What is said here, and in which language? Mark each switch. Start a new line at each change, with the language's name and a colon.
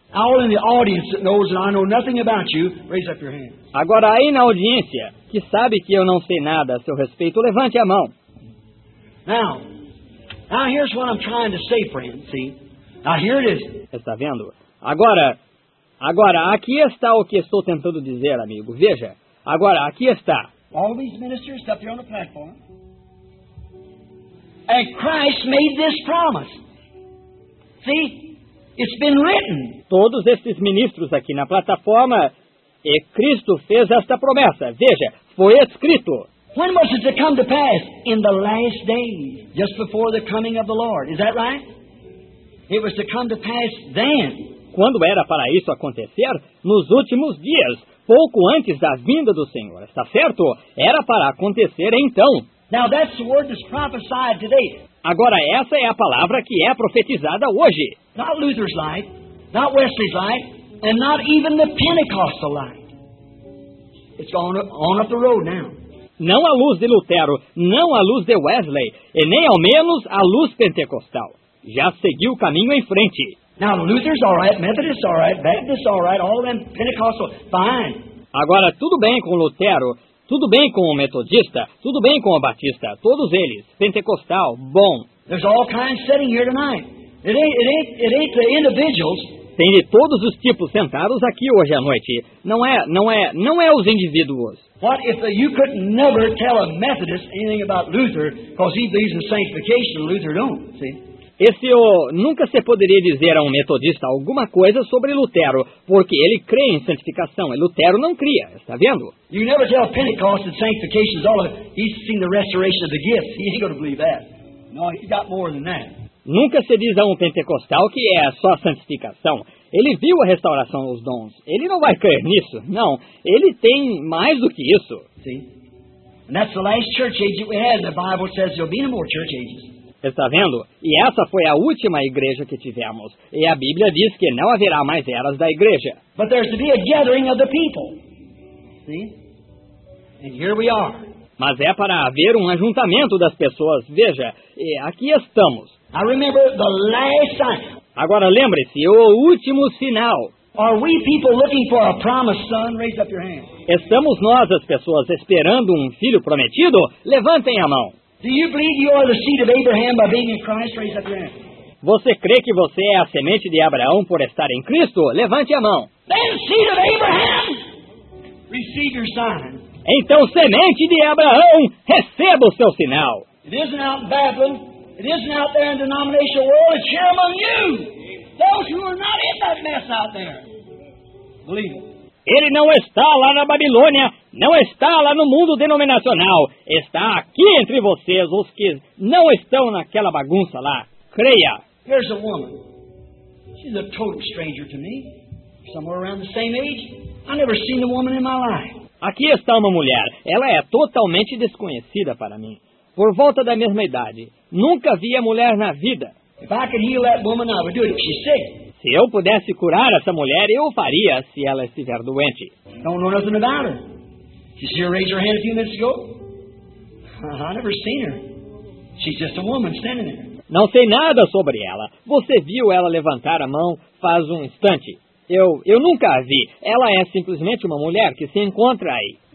English: All in the audience that knows that I know nothing about you, raise up your hand.
Portuguese: Agora aí na audiência, que sabe que eu não sei nada a seu respeito, levante a mão.
English: Now here's what I'm trying to say, friend, see? Now here it is.
Portuguese: Está vendo? Agora, aqui está o que estou tentando dizer, amigo. Veja, agora, aqui está.
English: All these ministers up here on the platform. And Christ made this promise. See? It's been written.
Portuguese: Todos estes ministros aqui na plataforma, e Cristo fez esta promessa. Veja, foi escrito.
English: When was it to come to pass? In the last days, just before the coming of the Lord. Is that right? It was to come to pass then.
Portuguese: Quando era para isso acontecer? Nos últimos dias, pouco antes da vinda do Senhor. Está certo? Era para acontecer então.
English: Now that's the word that's prophesied today.
Portuguese: Agora essa é a palavra que é profetizada hoje.
English: Not Luther's light, not Wesley's light, and not even the Pentecostal light. It's on up the road now.
Portuguese: Não a luz de Lutero, não a luz de Wesley, e nem ao menos a luz pentecostal. Já seguiu o caminho em frente.
English: Now Luther's all right, Methodist's all right, Baptist's all right, all them Pentecostal, fine.
Portuguese: Agora tudo bem com Lutero, tudo bem com o metodista, tudo bem com o batista, todos eles, pentecostal, bom.
English: There's all kinds sitting here tonight. It ain't the individuals.
Portuguese: Tem de todos os tipos sentados aqui hoje à noite. Não é os indivíduos.
English: What if you could never tell a Methodist anything about Luther because he believes in sanctification and Luther don't, see?
Portuguese: Esse nunca se poderia dizer a um metodista alguma coisa sobre Lutero, porque ele crê em santificação, e Lutero não cria, está vendo?
English: You never tell Pentecost that sanctification is all of he's seen the restoration of the gifts. He ain't going to believe that. No, he's got more than that.
Portuguese: Nunca se diz a um pentecostal que é só santificação. Ele viu a restauração dos dons. Ele não vai crer nisso. Não, ele tem mais do que isso.
English: See? And that's the last church age that we had. The Bible says there'll be no more church ages.
Portuguese: Está vendo? E essa foi a última igreja que tivemos. E a Bíblia diz que não haverá mais eras da igreja.
English: But there's to be a gathering of the people. See? And here we are.
Portuguese: Mas é para haver um ajuntamento das pessoas. Veja, e aqui estamos.
English: I remember the last sign.
Portuguese: Agora lembre-se, o último sinal.
English: Are we people looking for a promised son? Raise up your hand.
Portuguese: Estamos nós, as pessoas, esperando um filho prometido? Levantem a mão.
English: Do you believe you are the seed of Abraham by being in Christ? Raise up your hand.
Portuguese: Você crê que você é a semente de Abraão por estar em Cristo? Levante a mão.
English: Then seed of Abraham, receive your sign.
Portuguese: Então, semente de Abraão, receba o seu sinal.
English: It isn't out in Babylon. It isn't out there in the denominational world. It's here among you. Those who are not in that mess out there. Believe it.
Portuguese: Ele não está lá na Babilônia, não está lá no mundo denominacional. Está aqui entre vocês, os que não estão naquela bagunça lá. Creia.
English: Here's a woman. She's a total stranger to me. Somewhere around the same age. I've never seen a woman in my life.
Portuguese: Aqui está uma mulher. Ela é totalmente desconhecida para mim. Por volta da mesma idade. Nunca vi a mulher na vida.
English: If I could heal that woman, I would do it if she's sick.
Portuguese: Se eu pudesse curar essa mulher, eu faria se ela estiver doente.
English: Don't know nothing about her. Did she raise her hand a few minutes ago? I never seen her. She's just a woman standing there.
Portuguese: Não sei nada sobre ela. Você viu ela levantar a mão faz um instante? Eu nunca a vi. Ela é simplesmente uma mulher que se encontra aí.